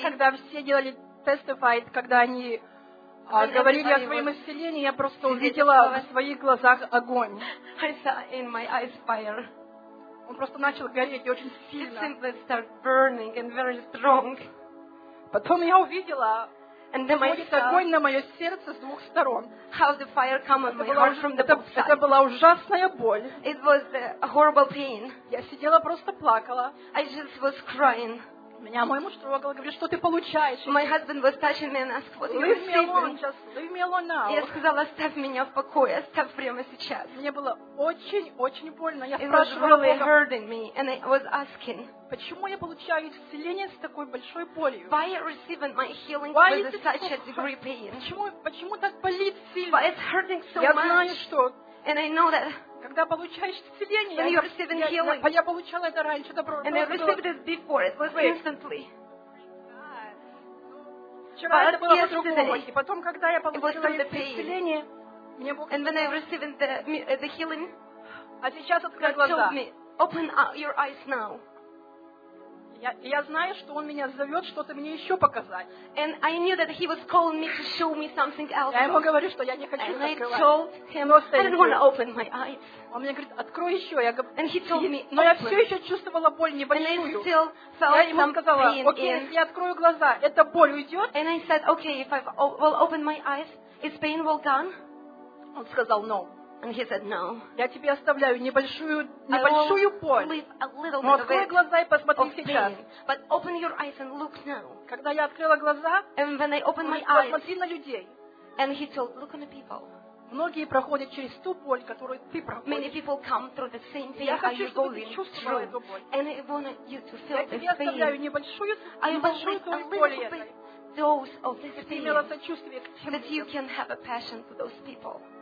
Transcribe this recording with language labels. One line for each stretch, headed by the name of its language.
Russian: когда все делали testified, когда они говорили о своем исцелении, я просто увидела в своих глазах огонь.
English: I saw in my eyes fire.
Russian: Он просто начал гореть очень сильно.
English: It simply started burning and very strong.
Russian: Потом я увидела,
English: and then I saw
Russian: огонь на мое сердце с двух сторон.
English: How the fire came on my heart from the both sides.
Russian: Это была ужасная боль.
English: It was a horrible pain.
Russian: Я сидела просто плакала.
English: I just was crying.
Russian: Меня мой муж трогал, говорит, что ты получаешь.
English: My husband was touching me and asked, what are you receiving? Leave me alone now.
Russian: Я сказала, оставь меня в покое, оставь прямо сейчас. Мне было очень-очень больно. Я
English: It was really hurting me, and I was asking,
Russian: почему я получаю исцеление с такой большой болью?
English: Why are you receiving my healing with such a degree pain?
Russian: Почему так болит сильно?
English: But it's hurting so
Russian: я
English: much.
Russian: Я знаю, что...
English: And I know that...
Russian: Когда получаешь исцеление,
English: when you're receiving healing.
Russian: Я получала это раньше, добро.
English: And I received it before. It was instantly.
Russian: Вчера это было по-другому. И потом, когда я получила исцеление, мне Бог...
English: And when I received the healing,
Russian: а сейчас открой глаза.
English: God told me, open your eyes now.
Russian: Я знаю, что он меня зовет что-то мне еще показать.
English: And I knew that he was calling me to show me something else.
Russian: Я ему говорю, что я не хочу
English: and
Russian: открывать.
English: And I told him, I didn't want to open my eyes.
Russian: Он мне говорит, открой еще. Я говорю,
English: and he told me,
Russian: но я все еще чувствовала боль небольшую.
English: And I still felt
Russian: я ему сказала, окей, если я открою глаза, эта боль уйдет?
English: And I said, okay, if I will open my eyes, is pain will gone?
Russian: Он сказал, no.
English: And he said, no.
Russian: Я тебе оставляю небольшую боль. Но открой глаза и посмотри сейчас.
English: But open your eyes and look now.
Russian: Когда я открыла глаза,
English: and when I opened my eyes,
Russian: посмотри на людей.
English: And he told, look on the people.
Russian: Многие проходят через ту боль, которую ты проходишь.
English: Many people come through the same pain.
Russian: Я хочу, чтобы ты чувствовала эту боль.
English: And I want you to feel this pain.
Russian: Я тебе оставляю небольшую долю боли этой.
English: Dose of this pain.
Russian: Ты имела сочувствие к тем.
English: That you can have a passion for those people.